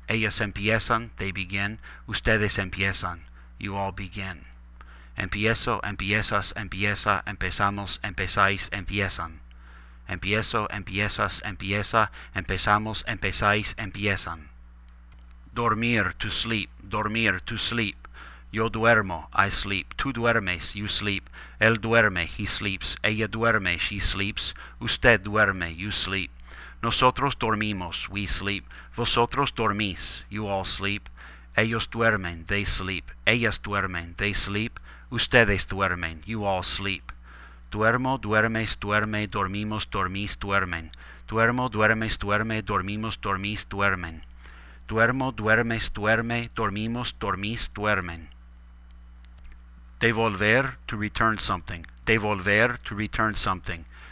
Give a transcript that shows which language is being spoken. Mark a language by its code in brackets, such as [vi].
[es] Ellas empiezan, [en] they begin. [es] Ustedes empiezan, [en] you all begin. [es] Empiezo, empiezas, empieza, empezamos, empezáis, empiezan. Empiezo, empiezas, empieza, empezamos, empezáis, empiezan. [en] Dormir, to sleep, dormir, to sleep. [es] Yo duermo, [en] I sleep. [es] Tú duermes, [en] you sleep. [es] Él duerme, [en] he sleeps. [es] Ella duerme, [en] she sleeps. [es] Usted duerme, [en] you sleep. [es] Nosotros dormimos, [en] we sleep. [es] Vosotros dormís, [en] you all sleep. [es] Ellos duermen, [en] they sleep. [es] Ellas duermen, they sleep. Ustedes duermen, [en] you all sleep. [es] Duermo, duermes, duerme, dormimos, dormís, duermen. Duermo, duermes, duerme, dormimos, dormís, duermen. duermo, duermes, duerme, dormimos, dormís, duermen. [en] Devolver, to return something. Devolver, to return something.